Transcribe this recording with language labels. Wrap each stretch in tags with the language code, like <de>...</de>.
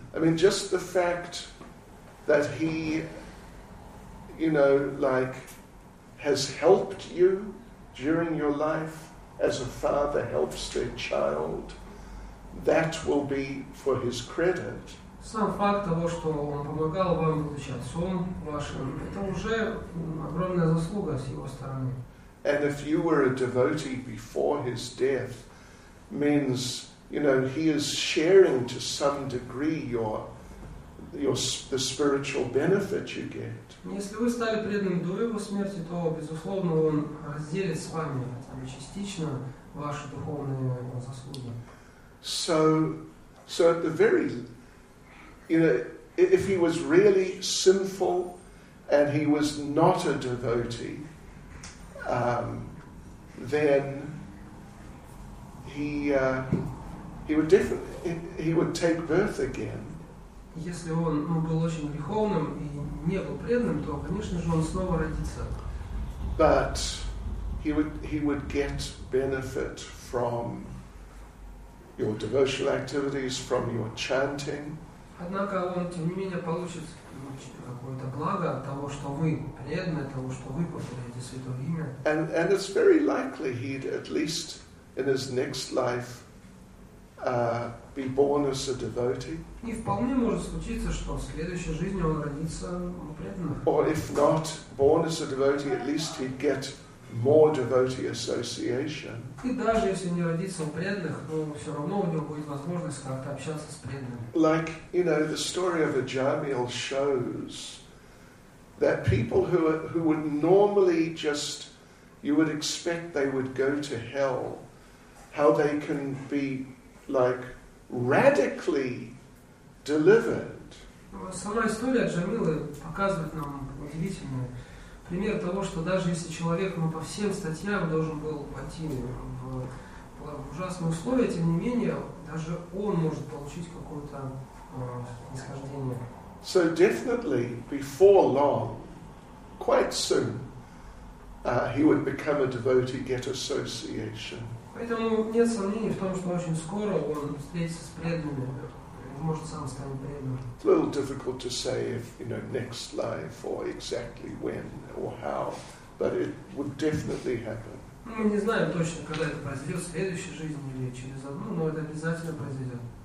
<en>I mean, just the fact that he, you know, like, has helped you during your life as a father helps their child, that will be for his credit.</en> <ru>Сам факт того, что он помогал вам, будучи отцом вашим, это уже огромная заслуга с его стороны.</ru> <en>And if you were a devotee before his death, means, you know, he is sharing to some degree the spiritual benefit you get.</en> <ru>Если вы стали преданным до его смерти, то, безусловно, он разделит с вами там, частично ваши духовные заслуги.</ru> <en>So at the very, you know, if he was really sinful and he was not a devotee, then he would take birth again.</en> <ru>Если он был очень греховным и не был преданным, то, конечно же, он снова родится.</ru> <en>But he would get benefit from your devotional activities, from your chanting.</en> <ru>Однако он, тем не менее, получит какое-то благо от того, что вы преданы, от того, что вы повторяете святое имя.</ru> <en>And it's very likely he'd at least in his next life be born as a devotee.</en> <ru>И вполне может случиться, что в следующей жизни он родится преданным.</ru> <en>Or if not born as a devotee, at least he'd get more devotee association.</en> <ru>И даже если не родится у преданных, но все равно у него будет возможность как-то общаться с преданными.</ru> <en>Like, you know, the story of Ajamil shows that people who would normally just, you would expect they would go to hell, how they can be like radically delivered.</en> <ru>Сама история Джамилы показывает нам удивительное. Пример того, что даже если человек, ну, по всем статьям должен был пойти в ужасные условия, тем не менее, даже он может получить какое-то нисхождение.</ru> <en>So definitely, before long, quite soon, he would become a devotee, get association.</en> <ru>Поэтому нет сомнений в том, что очень скоро он встретится с преданными, может сам станет преданным.</ru> <en>It's a little difficult to say if, you know, next life or exactly when. Or how, but it would definitely happen.</en> <ru>Мы не знаем точно, когда это произойдет, в следующей жизни или через одну, но это обязательно произойдет.</ru>